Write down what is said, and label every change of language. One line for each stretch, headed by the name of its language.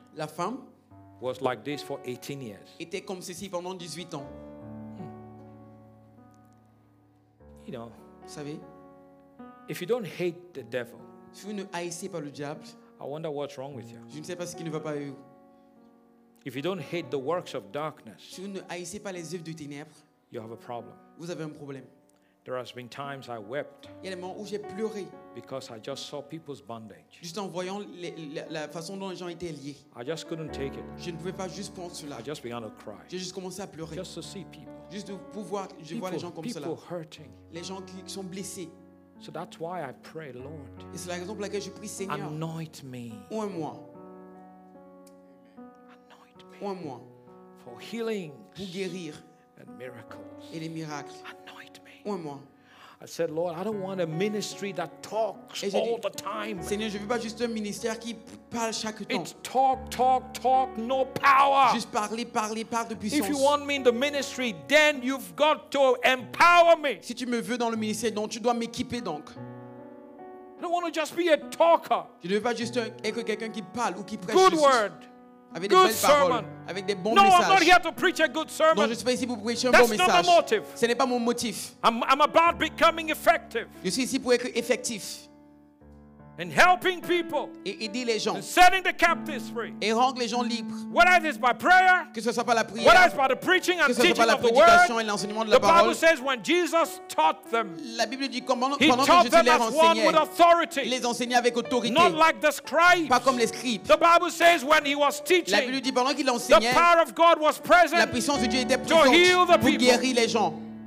French: La femme.
English: Was like this for 18 years.
French: Était comme ceci pendant 18 ans.
English: You know.
French: Vous savez?
English: If you don't hate the devil.
French: Si vous ne haïssez pas le diable.
English: I wonder what's wrong with you.
French: Je ne sais pas ce qui ne va pas avec vous.
English: If you don't hate the works of darkness.
French: Si vous ne haïssez pas les œuvres de ténèbres.
English: You have a problem.
French: Vous avez un problème.
English: There has been times I wept.
French: Il y a des moments où j'ai pleuré.
English: Because I just saw people's bondage.
French: Juste en voyant la façon dont les gens étaient liés.
English: I just couldn't take it.
French: Je ne pouvais pas juste prendre cela.
English: I just began to cry.
French: J'ai juste commencé à pleurer.
English: Just to see people.
French: Juste de pouvoir, je vois les gens comme cela.
English: People hurting.
French: Les gens qui sont blessés.
English: So that's why I pray, Lord.
French: Et c'est la raison pour laquelle je prie, Seigneur.
English: Anoint me.
French: Oins-moi.
English: Anoint me.
French: Oins-moi.
English: For healing.
French: Pour guérir.
English: And miracles.
French: Et les miracles.
English: Anoint me.
French: Oins-moi.
English: I said, Lord, I don't want a ministry that talks
French: et j'ai dit,
English: all the time.
French: Seigneur, je veux pas juste un ministère qui parle chaque temps.
English: It's talk, talk, talk, no power.
French: Juste parler, parler, parler de puissance.
English: If you want me in the ministry, then you've got to empower me.
French: Si tu me veux dans le ministère, donc tu dois m'équiper donc.
English: I don't want to just be a talker.
French: Je ne veux pas juste être quelqu'un qui parle ou qui prêche.
English: Good word.
French: Avec
English: good
French: des belles paroles, avec des bons
English: no,
French: messages.
English: I'm not here to preach a good sermon.
French: Non, je suis pas ici pour prêcher
English: that's
French: un bon message.
English: That's not my motive.
French: Ce n'est pas mon motif.
English: I'm about becoming effective.
French: Je suis ici pour être effectif.
English: And helping people.
French: Et aider les gens.
English: And setting the captives free.
French: Et rendre les gens libres.
English: What it is by prayer?
French: Que ce soit par la prière.
English: What it is by the preaching and teaching of the word?
French: Que ce soit par la prédication et l'enseignement de la parole.
English: The Bible says when Jesus taught them.
French: La Bible dit comment pendant que Jésus les enseignait. Il les enseignait avec autorité.
English: Not like the scribes.
French: Pas comme les scribes.
English: The Bible says when he was teaching.
French: La Bible dit pendant qu'il enseignait.
English: The power of God was present.
French: La puissance de Dieu était présente pour guérir les gens.